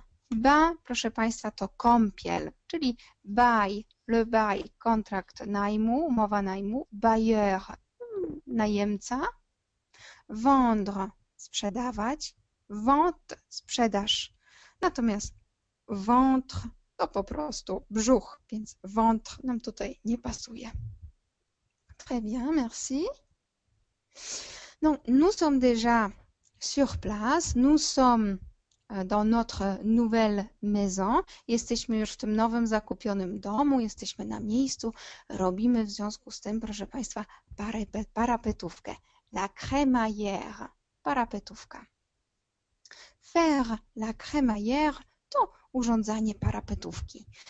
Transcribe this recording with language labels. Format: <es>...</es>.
<pl>Bain, proszę Państwa, to kąpiel, czyli bail, le bail, kontrakt najmu, umowa najmu, bailleur, najemca, vendre, sprzedawać, vente, sprzedaż. Natomiast ventre to po prostu brzuch, więc ventre nam tutaj nie pasuje.</pl> <fr>Très bien, merci. Donc, nous sommes déjà sur place, nous sommes dans notre nouvelle maison.</fr> <pl>Jesteśmy już w tym nowym zakupionym domu, jesteśmy na miejscu, robimy w związku z tym, proszę Państwa, parapetówkę. La crémaillère, parapetówka.</pl> <fr>Faire la crémaillère</fr> <pl>to urządzanie parapetówki.</pl>